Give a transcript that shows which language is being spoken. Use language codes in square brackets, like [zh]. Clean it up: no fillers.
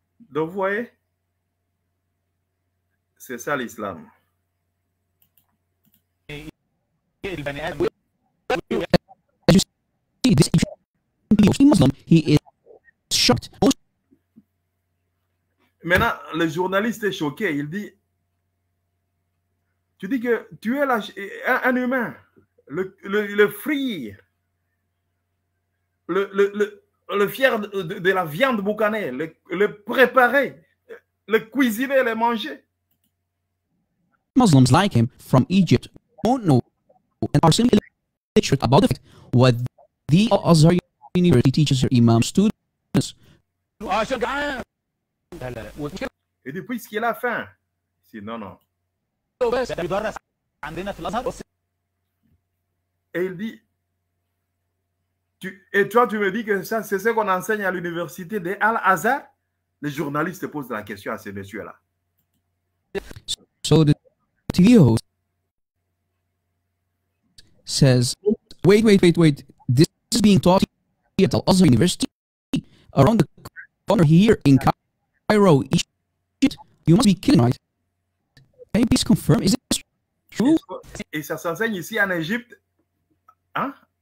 [fr] Donc vous voyez, c'est ça l'islam. [en] As you see, this Ethiopian Muslim, he is shocked. [fr] Maintenant, le journaliste est choqué. Il dit, tu dis que tu es un humain, le frire, le fier de la viande boucanée, le préparer, le cuisiner, le manger. [en] Muslims like him from Egypt don't know and are simply illiterate about the fact what the Azhar University teaches her imam students. [fr] Et depuis qu'il a faim, c'est non. Et il dit, tu me dis que ça, c'est ce qu'on enseigne à l'université de Al-Azhar? Le journaliste pose la question à ce monsieur-là. [en] So the TV host says, wait, this is being taught at Al-Azhar University around the corner here in Cairo, Egypt. You must be kidding, right? Can you please confirm, is it true? [fr] Et ça s'enseigne ici en Égypte, hein?